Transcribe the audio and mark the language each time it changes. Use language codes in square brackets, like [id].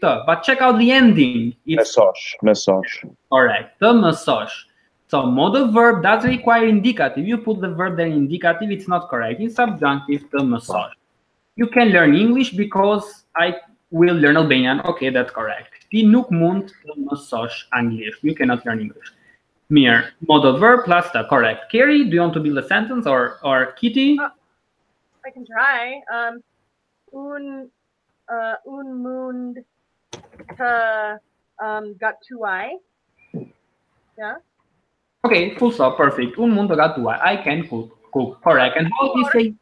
[en] But check out the ending. [sq] Mesosh. [en] All right, the mesosh. So modal verb does require indicative. You put the verb there in indicative, it's not correct. In subjunctive, the mesosh. You can learn English because I will learn Albanian. Okay, that's correct. [sq] Ti nuk mund të mësosh anglisht. [en] You cannot learn English. Mirë, modal verb plus the correct. Kerry, do you want to build a sentence or Kitty? I can try. [sq] Un mund të gatuaj. [en] Yeah? Okay, full stop, perfect. [sq] Un mund të gatuaj. [en] I can cook. Correct. And how do you say?